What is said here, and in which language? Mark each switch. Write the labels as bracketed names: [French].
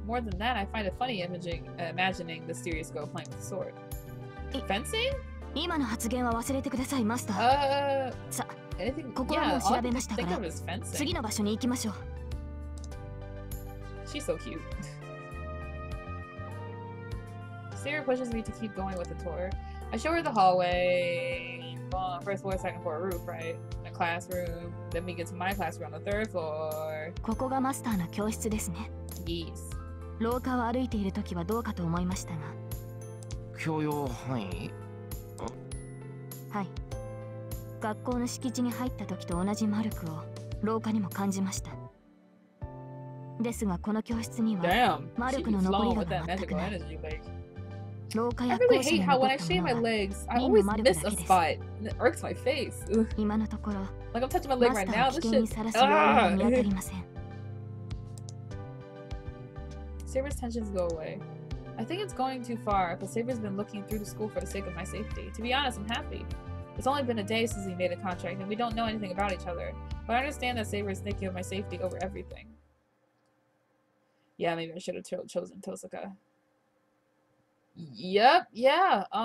[English] More than that, I find it funny imagining the serious girl playing with a sword. Fencing? [Japanese] 今の発言は忘れてください、マスター。さ、ここはもう調べましたから、次の場所に行きましょう。 [English] She's so cute. Sarah pushes me to keep going with the tour. I show her the hallway. First floor, second floor, roof, right? A classroom. Then we get to my classroom on the third floor. [Japanese] ここがマスターの教室ですね。 [English] Yes. [Japanese] 廊下を歩いているときはどうかと思いましたが。教養範囲？はい。学校の敷地に入った時と同じ魔力を廊下にも感じました。ですがこの教室には魔力の残りが全くない。廊下や校舎に残ったものは任務魔力だけです。今のところマスターを危険にさらすようなのに当たりません。 [English] Saber's tensions go away. I think it's going too far, but Saber's been looking through the school for the sake of my safety. To be honest, I'm happy. It's only been a day since we made a contract, and we don't know anything about each other. But I understand that Saber is thinking of my safety over everything. Yeah, maybe I should have chosen Tosuka. Yep, yeah.